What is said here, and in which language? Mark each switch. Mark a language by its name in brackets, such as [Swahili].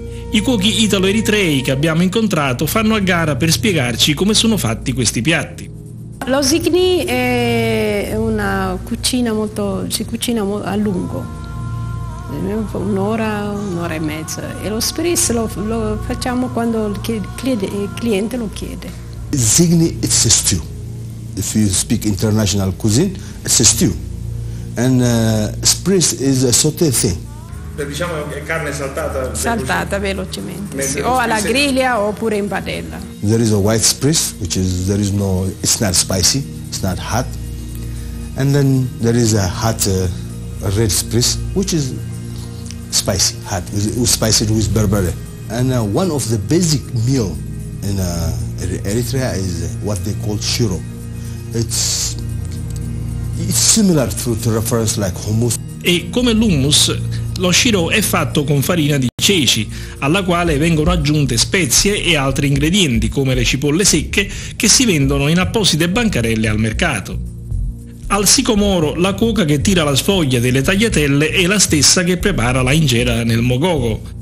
[Italian] I cuochi italo-eritrei che abbiamo incontrato fanno a gara per spiegarci come sono fatti questi piatti. Lo zigni è una cucina molto, si cucina a lungo, un'ora e mezza, e lo spris lo facciamo quando il cliente lo chiede. [English] Zigni it's a stew. If you speak international cuisine, it's a stew. And spris is a sauté thing. [Italian] Diciamo che carne saltata. Velocemente. Sì. O alla griglia oppure in padella. [English] There is a white spris, which is there is no, it's not spicy, it's not hot. And then there is a hot red spris, which is spicy, hot, with spicy with berbere. And one of the basic meal in Eritrea is what they call shiro. It's similar to reference like hummus. [Italian] E come l'hummus, lo shiro è fatto con farina di ceci, alla quale vengono aggiunte spezie e altri ingredienti, come le cipolle secche, che si vendono in apposite bancarelle al mercato. Al sicomoro, la cuoca che tira la sfoglia delle tagliatelle è la stessa che prepara la injera nel mogogo.